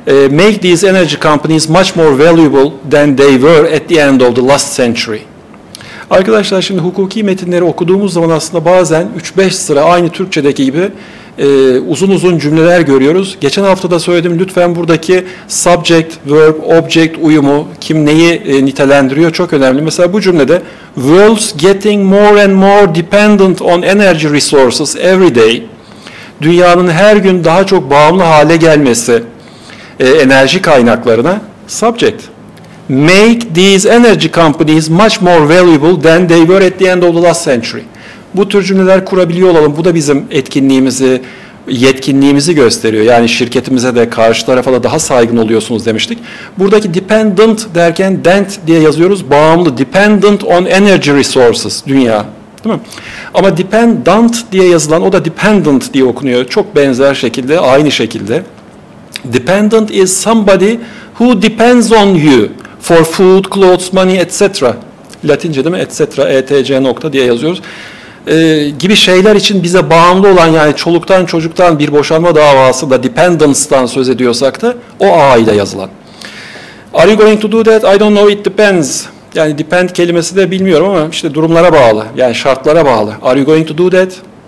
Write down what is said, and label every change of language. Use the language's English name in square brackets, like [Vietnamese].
[English] Make these energy companies much more valuable than they were at the end of the last century. [Turkish] Arkadaşlar şimdi hukuki metinleri okuduğumuz zaman aslında bazen 3-5 sıra aynı Türkçedeki gibi uzun uzun cümleler görüyoruz. Geçen hafta da söyledim, lütfen buradaki subject, verb, object uyumu, kim neyi nitelendiriyor çok önemli. Mesela bu cümlede [English] world's getting more and more dependent on energy resources every day. [Turkish] Dünyanın her gün daha çok bağımlı hale gelmesi enerji kaynaklarına, subject. [English] Make these energy companies much more valuable than they were at the end of the last century. [Turkish] Bu tür cümleler kurabiliyor olalım. Bu da bizim etkinliğimizi, yetkinliğimizi gösteriyor. Yani şirketimize de karşı tarafa da daha saygın oluyorsunuz demiştik. Buradaki dependent derken dent diye yazıyoruz. Bağımlı, dependent on energy resources, dünya. Değil mi? Ama dependent diye yazılan, o da dependent diye okunuyor. Çok benzer şekilde, aynı şekilde. [English] Dependent is somebody who depends on you for food, clothes, money, etc. [Turkish] Latince değil mi? Etc. etc. nokta diye yazıyoruz. Gibi şeyler için bize bağımlı olan, yani çoluktan çocuktan bir boşanma davasında dependence'dan söz ediyorsak da o ağıyla yazılan. [English] Are you going to do that? I don't know, it depends. [Turkish] Yani depend kelimesi de bilmiyorum ama işte durumlara bağlı, yani şartlara bağlı. [English] Are you going to do that?